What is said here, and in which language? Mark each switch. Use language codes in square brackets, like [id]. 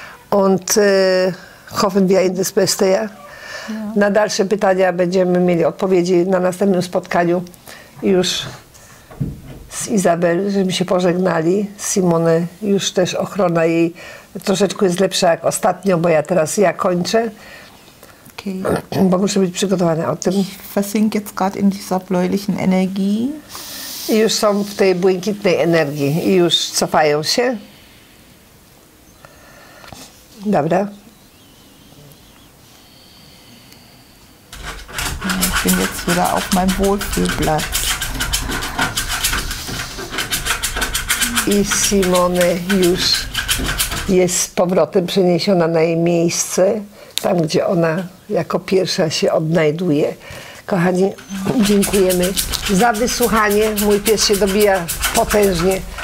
[de] Und hoffen wir in das Beste, ja? [pl] Na dalsze pytania będziemy mieli odpowiedzi na następnym spotkaniu już z Izabel, żeśmy się pożegnali. Simone już też ochrona jej troszeczkę jest lepsza jak ostatnio, bo ja teraz ja kończę. Okay. Bo muszę być przygotowana o tym. [de] Ich versink jetzt gerade in dieser bläulichen Energie. [pl] I już są w tej błękitnej energii i już cofają się. Dobra. [de] Ich bin jetzt wieder auf meinem Wohlfühlplatz. [pl] I Simone już jest z powrotem przeniesiona na jej miejsce, tam gdzie ona jako pierwsza się odnajduje. Kochani, dziękujemy za wysłuchanie. Mój pies się dobija potężnie.